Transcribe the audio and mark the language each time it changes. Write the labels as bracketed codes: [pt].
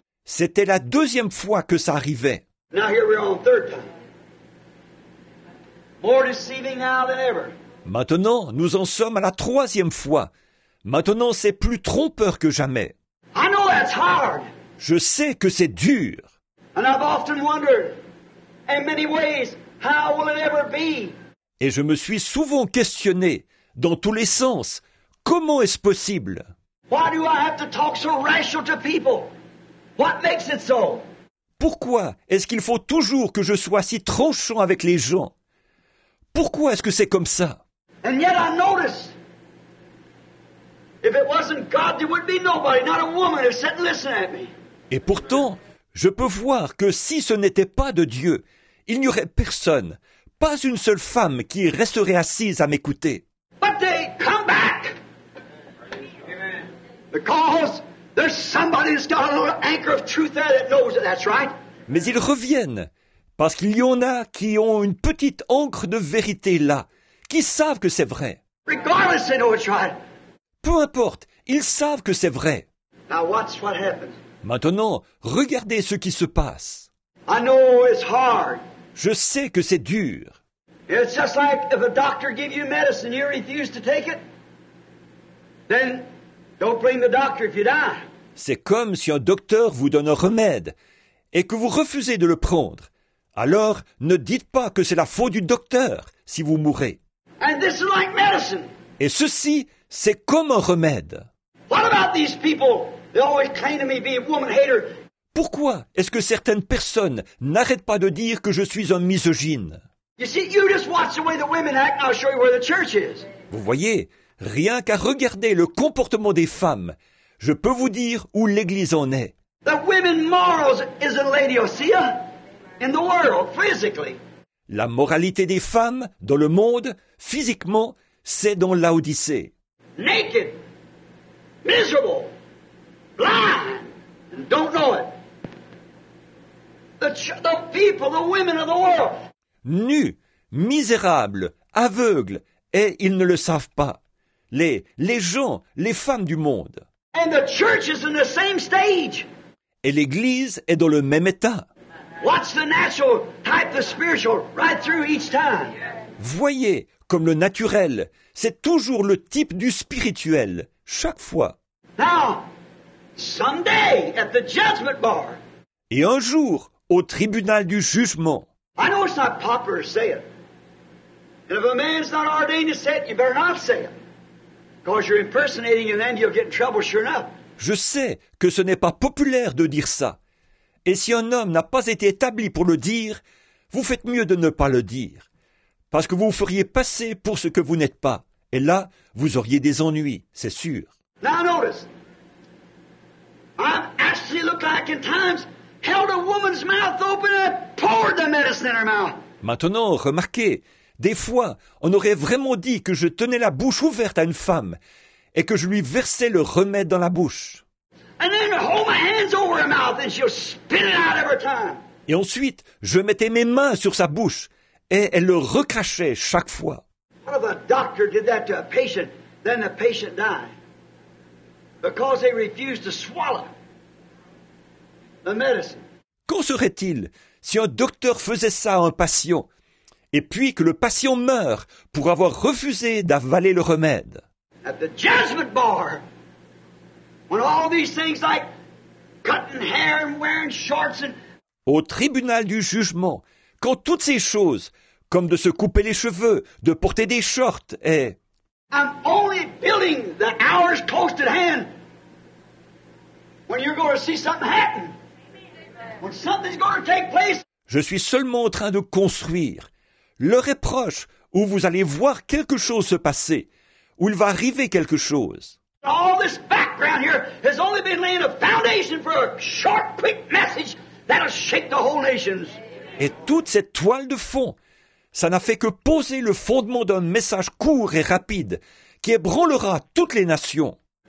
[fr] C'était la deuxième fois que ça arrivait. [en] Now here we are on the third time. More deceiving now than ever. [fr] Maintenant, nous en sommes à la troisième fois. Maintenant, c'est plus trompeur que jamais. [en] I know that's hard. [fr] Je sais que c'est dur. [en] And I've often wondered, in many ways, how will it ever be? [fr] Et je me suis souvent questionné, dans tous les sens, comment est-ce possible? [en] Why do I have to talk so rational to people? What makes it so? [fr] Pourquoi est-ce qu'il faut toujours que je sois si tranchant avec les gens? Pourquoi est-ce que c'est comme ça? [en] And yet I notice, if it wasn't God, there would be nobody, not a woman, who's sitting listening at me. [fr] Et pourtant, je peux voir que si ce n'était pas de Dieu, il n'y aurait personne, pas une seule femme qui resterait assise à m'écouter. [en] But they come back. Because there's somebody that's got a little anchor of truth there that knows that that's right. [fr] Mais ils reviennent. Parce qu'il y en a qui ont une petite encre de vérité là, qui savent que c'est vrai. [en] Regardless, they know it's right. [fr] Peu importe, ils savent que c'est vrai. [en] Now watch what happens. [fr] Maintenant, regardez ce qui se passe. [en] I know it's hard. [fr] Je sais que c'est dur. [en] It's just like if a doctor gives you medicine, you refuse to take it. Then don't blame the doctor if you die. [fr] C'est comme si un docteur vous donne un remède et que vous refusez de le prendre. Alors, ne dites pas que c'est la faute du docteur si vous mourrez. [en] And this is like medicine. [fr] Et ceci, c'est comme un remède. [en] What about these people? They always claim to me be a woman hater. [fr] Pourquoi est-ce que certaines personnes n'arrêtent pas de dire que je suis un misogyne? [en] You see, you just watch the way the women act, and I'll show you where the church is. [fr] Vous voyez, rien qu'à regarder le comportement des femmes, je peux vous dire où l'église en est. [en] The women morals is in Laodicea. In the world, physically. [fr] La moralité des femmes dans le monde, physiquement, c'est dans Laodicée. [en] Naked, miserable, blind, and don't know it. The people, the women of the world. [fr] Nus, misérables, aveugles, et ils ne le savent pas. Les gens, les femmes du monde. [en] And the church is in the same stage. [fr] Et l'église est dans le même état. [en] Watch the natural type the spiritual right through each time. [fr] Voyez comme le naturel, c'est toujours le type du spirituel, chaque fois. [en] Now, someday at the judgment bar. [fr] Et un jour, au tribunal du jugement. [en] I know it's not popular to say it. And if a man's not ordained to say it, you better not say it. Because you're impersonating him and you'll get in trouble sure enough. [fr] Je sais que ce n'est pas populaire de dire ça. Et si un homme n'a pas été établi pour le dire, vous faites mieux de ne pas le dire. Parce que vous vous feriez passer pour ce que vous n'êtes pas. Et là, vous auriez des ennuis, c'est sûr. [en] Now notice, I've actually looked like in times held a woman's mouth open and poured the medicine in her mouth. [fr] Maintenant, remarquez, des fois, on aurait vraiment dit que je tenais la bouche ouverte à une femme et que je lui versais le remède dans la bouche. [en] And then hold my hands over her mouth and she'll spit it out every time. [fr] Et ensuite, je mettais mes mains sur sa bouche et elle le recrachait chaque fois. [en] What if a doctor did that to a patient, then the patient died. Because they refused to swallow. the medicine. [fr] Qu'en serait-il si un docteur faisait ça à un patient et puis que le patient meurt pour avoir refusé d'avaler le remède? [en] At the judgment bar, when all these things like cutting hair and wearing shorts and... [fr] Au tribunal du jugement, quand toutes ces choses, comme de se couper les cheveux, de porter des shorts, et... [en] I'm only feeling the hours close at hand when you're going to see something happen. When something's going to take place. [fr] Je suis seulement en train de construire. L'heure est proche où vous allez voir quelque chose se passer, où il va arriver quelque chose. [en] All this background here has only been laying a foundation for a short, quick message that'll shake the whole nations. [fr] Et toute cette toile de fond, ça n'a fait que poser le fondement d'un message court et rapide qui ébranlera toutes les nations.